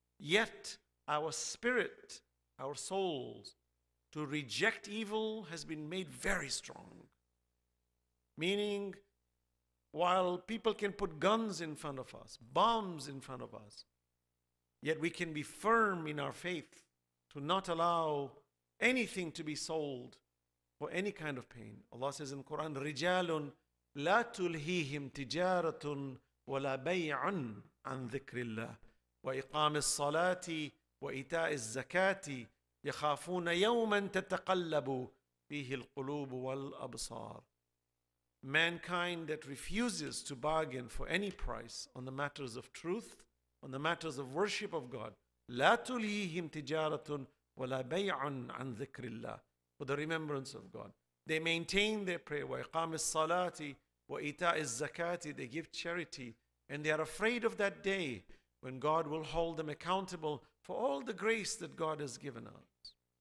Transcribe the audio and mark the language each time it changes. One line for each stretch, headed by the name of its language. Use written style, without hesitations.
English: Yet our spirit, our souls, to reject evil has been made very strong. Meaning, while people can put guns in front of us, bombs in front of us, yet we can be firm in our faith to not allow anything to be sold for any kind of pain. Allah says in Quran,
Arabic: رِجَالٌ لَا تُلْهِيهِمْ تِجَارَةٌ وَلَا بَيْعٌ عَنْ ذِكْرِ اللَّهِ وَإِقَامِ الصَّلَاةِ وَإِتَاءِ الزَّكَاةِ يَخَافُونَ يَوْمًا تَتَقَلَّبُ فِيهِ الْقُلُوبُ وَالْأَبْصَارِ.
English: Mankind that refuses to bargain for any price on the matters of truth, on the matters of worship of God,
Arabic: لَا تُلْهِيهِمْ تِجَارَةٌ وَلَا بَيْعٌ عَنْ ذِكْرِ اللَّهِ,
English: for the remembrance of God. They maintain their prayer,
Arabic: وَإِقَامِ الصَّلَاةِ وَإِتَاءِ الزَّكَاةِ,
English: they give charity, and they are afraid of that day when God will hold them accountable for all the grace that God has given us.